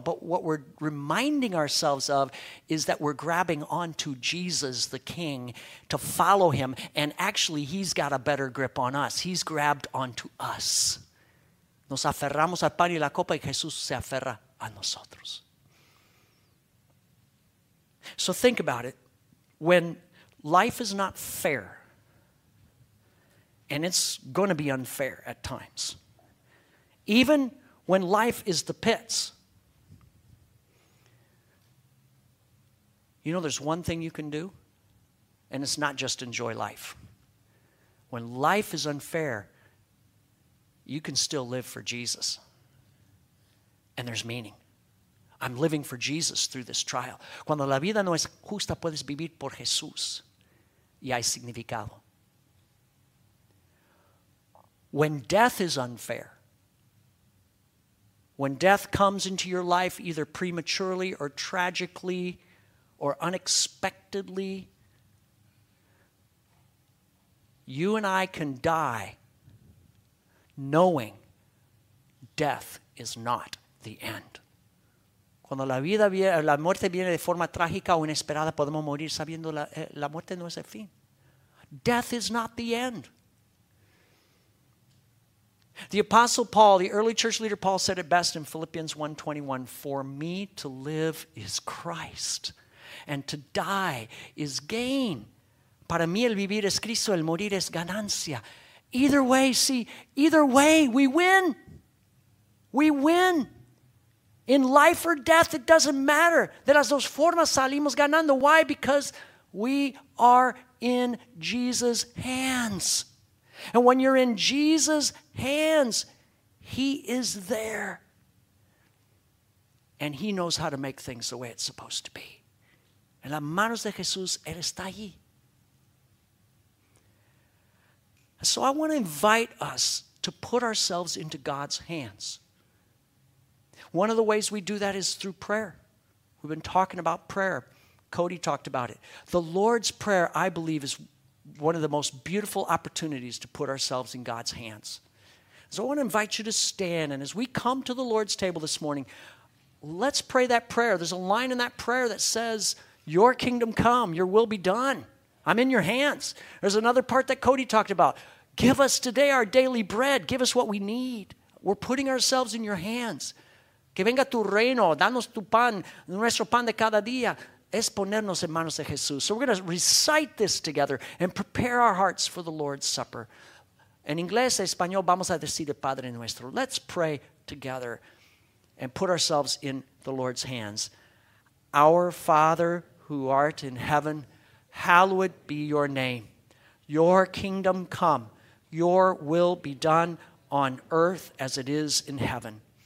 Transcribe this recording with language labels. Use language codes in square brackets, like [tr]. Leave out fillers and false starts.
[en] But what we're reminding ourselves of is that we're grabbing on to Jesus, the King, to follow him. And actually, he's got a better grip on us. He's grabbed onto us. [es] Nos aferramos al pan y la copa y Jesús se aferra a nosotros. [en] So think about it. When life is not fair, and it's going to be unfair at times, even when life is the pits, you know there's one thing you can do, and it's not just enjoy life. When life is unfair, you can still live for Jesus. And there's meaning. I'm living for Jesus through this trial. [es] Cuando la vida no es justa, puedes vivir por Jesús. Y hay significado. [en] When death is unfair, when death comes into your life either prematurely or tragically or unexpectedly, you and I can die knowing death is not the end. [es] Cuando la muerte viene de forma trágica o inesperada, podemos morir sabiendo la muerte no es el fin. [en] Death is not the end. The Apostle Paul, the early church leader Paul, said it best in Philippians 1:21, "For me to live is Christ, and to die is gain." [es] Para mí el vivir es Cristo, el morir es ganancia. [en] Either way, see, either way, we win. We win. In life or death, it doesn't matter. [es] De las dos formas salimos ganando. [en] Why? Because we are in Jesus' hands. And when you're in Jesus' hands, he is there. And he knows how to make things the way it's supposed to be. [es] En las manos de Jesús, él está allí. [en] So I want to invite us to put ourselves into God's hands. One of the ways we do that is through prayer. We've been talking about prayer. Cody talked about it. The Lord's Prayer, I believe, is one of the most beautiful opportunities to put ourselves in God's hands. So I want to invite you to stand, and as we come to the Lord's table this morning, Let's pray that prayer. There's a line in that prayer that says, your kingdom come, your will be done. I'm in your hands. There's another part that Cody talked about. Give us today our daily bread. Give us what we need. We're putting ourselves in your hands. [es] Que venga tu reino. Danos tu pan, nuestro pan de cada día. Es ponernos en manos de Jesús. [en] So we're going to recite this together and prepare our hearts for the Lord's Supper. [es] En inglés, español, vamos a decir el Padre Nuestro. [en] Let's pray together and put ourselves in the Lord's hands. Our Father who art in heaven, hallowed be your name. Your kingdom come. Your will be done on earth as it is in heaven.